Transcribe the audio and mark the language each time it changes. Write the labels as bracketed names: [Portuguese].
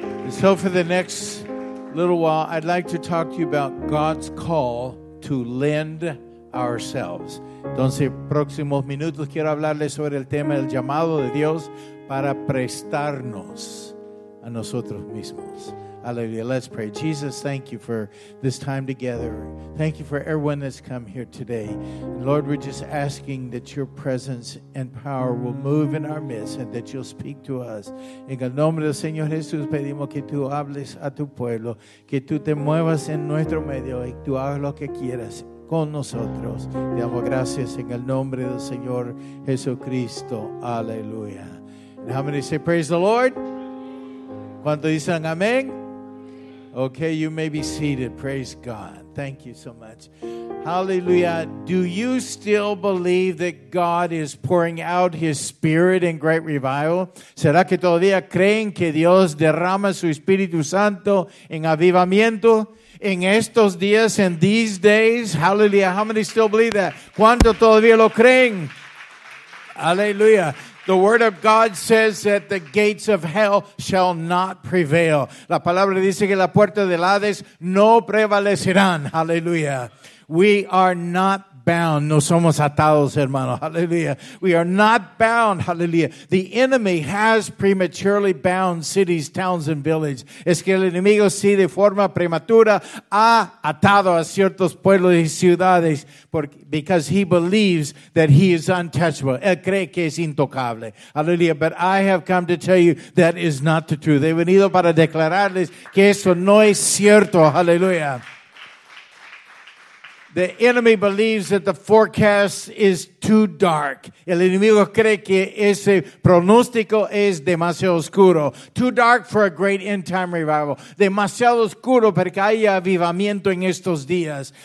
[English] So for the next little while, I'd like to talk to you about God's call to lend ourselves. [Spanish] Entonces, próximos minutos quiero hablarles sobre el tema del llamado de Dios para prestarnos a nosotros mismos. [English] Hallelujah. Let's pray. Jesus, thank you for this time together. Thank you for everyone that's come here today. And Lord, we're just asking that your presence and power will move in our midst and that you'll speak to us. [Spanish] En el nombre del Señor Jesús, pedimos que tú hables a tu pueblo, que tú te muevas en nuestro medio y tú hagas lo que quieras con nosotros. Te damos gracias en el nombre del Señor Jesucristo. [English] Aleluya. And how many say praise the Lord? [Spanish] ¿Cuánto dicen amén? [English] Okay, you may be seated. Praise God. Thank you so much. Hallelujah. Do you still believe that God is pouring out his spirit in great revival? [Spanish] ¿Será que todavía creen que Dios derrama su Espíritu Santo en avivamiento? En estos días, [English] in these days? Hallelujah. How many still believe that? [Spanish] ¿Cuánto todavía lo creen? Hallelujah. [English] The word of God says that the gates of hell shall not prevail. [Spanish] La palabra dice que la puerta del Hades no prevalecerán. [English] Hallelujah. We are not bound. [Spanish] No somos atados, hermano. [English] Hallelujah. We are not bound. Hallelujah. The enemy has prematurely bound cities, towns, and villages. [Spanish] Es que el enemigo sí de forma prematura ha atado a ciertos pueblos y ciudades [English] because he believes that he is untouchable. [Spanish] Él cree que es intocable. Hallelujah. [English] But I have come to tell you that is not the truth. [Spanish] He venido para declararles que eso no es cierto. Hallelujah. [English] The enemy believes that the forecast is too dark. [Spanish] El enemigo cree que ese pronóstico es demasiado oscuro. [English] Too dark for a great end time revival. [Spanish] Demasiado oscuro para que haya avivamiento en estos días.